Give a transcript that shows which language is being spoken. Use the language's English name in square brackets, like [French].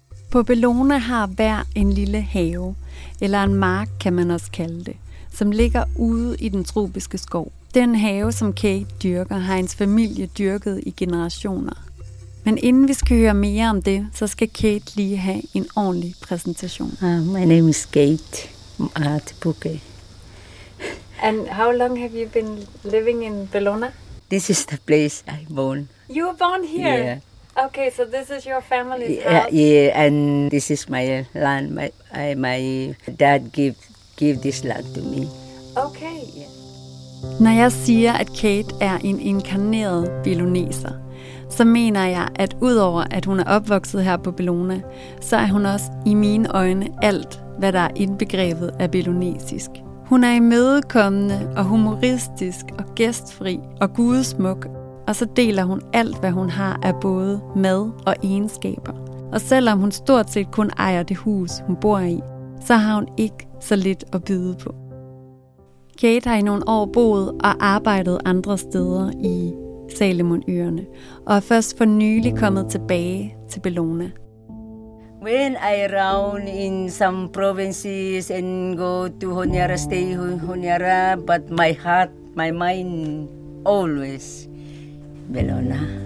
[Danish] På Bellona har hver en lille have, eller en mark kan man også kalde det, som ligger ude i den tropiske skov. Den have, som Kate dyrker, har hendes familie dyrket i generationer. Men inden vi skal høre mere om det, så skal Kate lige have en ordentlig præsentation. [English] My name is Kate Artibuke. And how long have you been living in Bellona? This is the place I born. You were born here? Yeah. Okay, so this is your family's house. Yeah, and this is my land. My dad give this land to me. Okay, yeah. [Danish] Når jeg siger, at Kate er en inkarneret belloneser, så mener jeg, at udover at hun er opvokset her på Bellona, så er hun også i mine øjne alt, hvad der er indbegrebet af bellonesisk. Hun er imødekommende og humoristisk og gæstfri og gudesmuk, og så deler hun alt, hvad hun har af både mad og egenskaber. Og selvom hun stort set kun ejer det hus, hun bor i, så har hun ikke så lidt at byde på. Kate har i nogle år boet og arbejdet andre steder i Salomonøerne, og er først for nylig kommet tilbage til Bellona. [English] When I round in some provinces and go to Honiara, stay Honiara, but my heart, my mind, always Bellona.